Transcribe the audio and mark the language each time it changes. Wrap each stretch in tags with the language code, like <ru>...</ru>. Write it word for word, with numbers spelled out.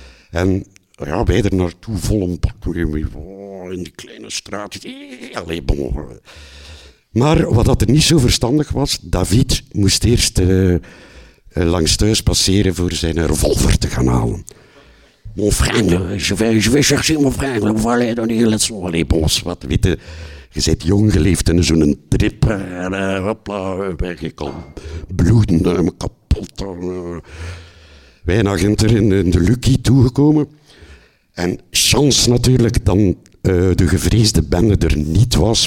<nl>En ja, wij er naartoe, vol een bak, in die kleine straat. Allee, bon. Maar wat dat er niet zo verstandig was, David moest eerst uh, langs thuis passeren voor zijn revolver te gaan halen.</nl> <fr>Mon frère, je vais, je vais chercher mon frère.</fr> <nl>Voilà, dan hier,</nl> <en>let's go.</en> <nl>Allee, bons, wat, weet je. Je bent jong geleefd in zo'n trip. En uh, hopla, weg, ik al bloeden, uh, kapot. Uh. Wij een agent er in, in de Lucky toegekomen. En chance natuurlijk dan uh, de gevreesde bende er niet was.</nl>